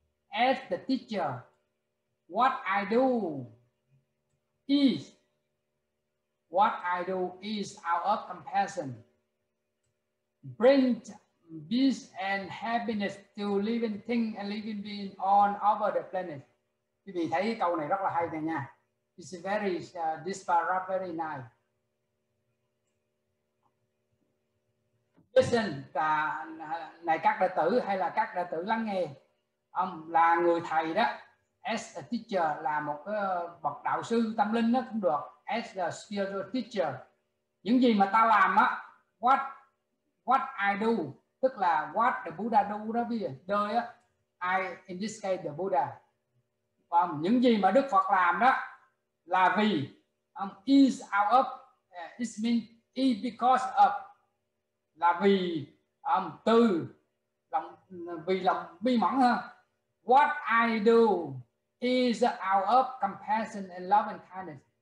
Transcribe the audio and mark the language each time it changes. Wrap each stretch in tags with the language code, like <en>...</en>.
<en>As the teacher, what I do is, what I do is out of compassion, bring peace and happiness to living thing and living being on over the planet.</en> <vi>Quý vị thấy câu này rất là hay nha.</vi> <en>It's very, this paragraph very nice.</en> <vi>Listen, này các đệ tử hay là các đệ tử lắng nghe. Ông là người thầy đó,</vi> <en>as a teacher,</en> <vi>là một bậc đạo sư tâm linh đó cũng được,</vi> <en>as a spiritual teacher.</en> <vi>Những gì mà ta làm á,</vi> <en>what I do,</en> <vi>tức là</vi> <en>what the Buddha do</en> <vi>đó, bây giờ đời á,</vi> <en>I in this case the Buddha.</en> <vi>Còn những gì mà Đức Phật làm đó là vì</vi> <en>is out of, it means is because of,</en> <vi>là vì từ lòng, vì lòng bi mẫn ha.</vi> <en>What I do is out of compassion and love and kindness.</en>